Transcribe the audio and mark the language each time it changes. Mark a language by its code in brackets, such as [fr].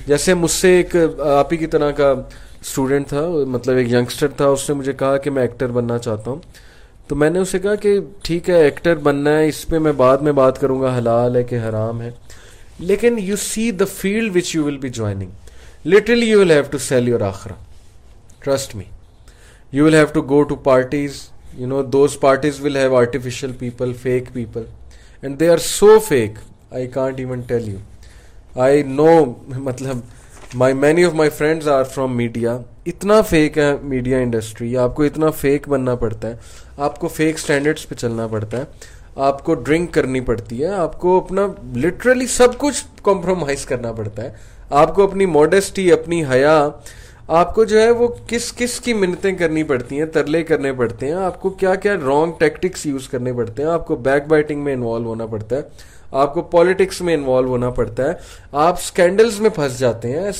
[ur] جیسے مجھ سے ایک آپ ہی کی طرح کا اسٹوڈنٹ تھا, مطلب ایک ینگسٹر تھا, اس نے مجھے کہا کہ میں ایکٹر بننا چاہتا ہوں, تو میں نے اسے کہا کہ ٹھیک ہے ایکٹر بننا ہے, اس پہ میں بعد میں بات کروں گا حلال ہے کہ حرام ہے, لیکن [en] You see the field which you will be joining, literally you will have to sell your آخرا, trust me, you will have to go to parties, you know those parties will have artificial people, fake people, and they are so fake I can't even tell you. I know, مطلب many of my friends are from media. [ur] اتنا fake ہے media industry, آپ کو اتنا fake بننا پڑتا ہے, آپ کو فیک اسٹینڈرڈس پہ چلنا پڑتا ہے, آپ کو ڈرنک کرنی پڑتی ہے, آپ کو اپنا لٹرلی سب کچھ کمپرومائز کرنا پڑتا ہے, آپ کو اپنی موڈیسٹی, اپنی حیا, آپ کو جو ہے وہ کس کس کی منتیں کرنی پڑتی ہیں, ترلے کرنے پڑتے ہیں, آپ کو کیا کیا رانگ ٹیکٹکس یوز کرنے پڑتے ہیں, آپ کو بیک بائٹنگ میں انوالو ہونا پڑتا ہے, آپ کو پالیٹکس میں انوالو ہونا پڑتا ہے, آپ سکینڈلز میں پھنس جاتے ہیں.